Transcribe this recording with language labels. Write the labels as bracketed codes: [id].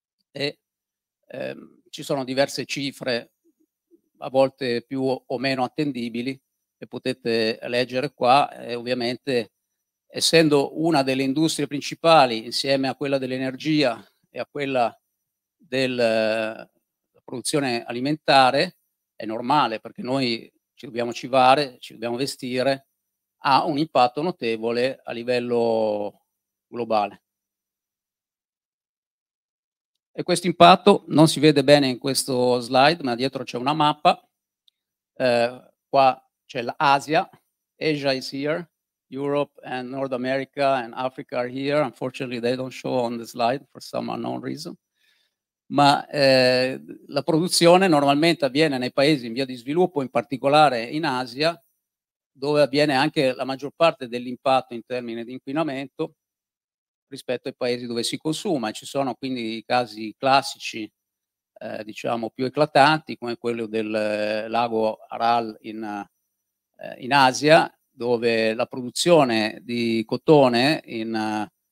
[it] E ci sono diverse cifre, a volte più o meno attendibili, che potete leggere qua, e ovviamente, essendo una delle industrie principali, insieme a quella dell'energia e a quella della produzione alimentare, è normale, perché noi ci dobbiamo cibare, ci dobbiamo vestire, ha un impatto notevole a livello globale. E questo impatto non si vede bene in questo slide, ma dietro c'è una mappa. Qua c'è l'Asia, [en] Asia is here. Europe and North America and Africa are here. Unfortunately, they don't show on the slide for some unknown reason. [it] ma la produzione normalmente avviene nei paesi in via di sviluppo, in particolare in Asia, dove avviene anche la maggior parte dell'impatto in termini di inquinamento rispetto ai paesi dove si consuma. Ci sono quindi i casi classici, diciamo più eclatanti, come quello del lago Aral in Asia, dove la produzione di cotone in